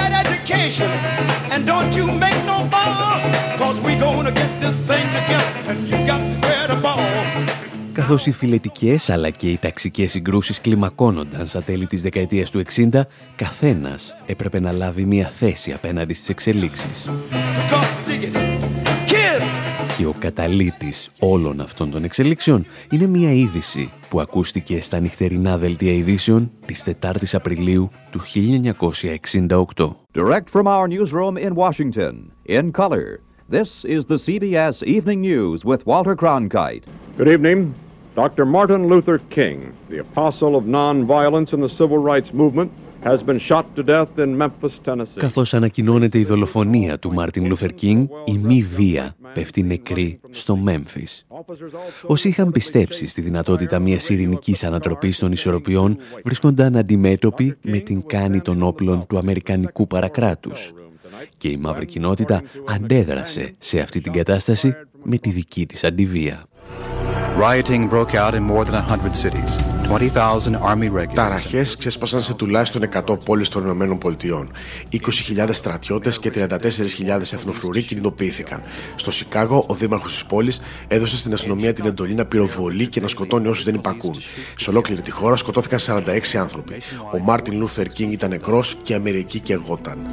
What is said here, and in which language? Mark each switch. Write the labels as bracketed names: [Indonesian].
[English] And don't you make no bother, 'cause we gonna get this thing together, and you got where to ball. [Greek] Καθώς οι φυλετικές αλλά και οι ταξικές συγκρούσεις κλιμακώνονταν στα τέλη της δεκαετίας του 60, καθένας έπρεπε να λάβει μια θέση απέναντι στις εξελίξεις. Και ο καταλύτης όλων αυτών των εξελίξεων είναι μια είδηση που ακούστηκε στα νυχτερινά δελτία ειδήσεων της 4ης Απριλίου του 1968. [English] Direct from our newsroom in Washington, in color, this is the CBS Evening News with Walter Cronkite. Good evening. Dr. Martin Luther King, the apostle of non-violence in the civil rights movement, has been shot to death in Memphis, Tennessee. [Greek] Καθώς ανακοινώνεται η δολοφονία του Μάρτιν Λούθερ Κίνγκ, η μη βία πέφτει νεκρή στο Μέμφις. Όσοι είχαν πιστέψει στη δυνατότητα μιας ειρηνικής ανατροπής των ισορροπιών, βρίσκονταν αντιμέτωποι με την κάνει των όπλων του αμερικανικού παρακράτους. Και η μαύρη κοινότητα αντέδρασε σε αυτή την κατάσταση με τη δική της αντιβία. [English] Rioting broke out in more than 100 cities. 20,000 army regulars. [Greek] Ταραχές ξέσπασαν σε τουλάχιστον 100 πόλεις των Ηνωμένων Πολιτειών. 20.000 στρατιώτες και 34.000 εθνοφρουροί κινητοποιήθηκαν. Στο Σικάγο, ο δήμαρχος της πόλης έδωσε στην αστυνομία την εντολή να πυροβολεί και να σκοτώνει όσους δεν υπακούν. Σε ολόκληρη τη χώρα σκοτώθηκαν 46 άνθρωποι. Ο Μάρτιν Λούθερ Κίνγκ ήταν νεκρός και η Αμερική καιγόταν.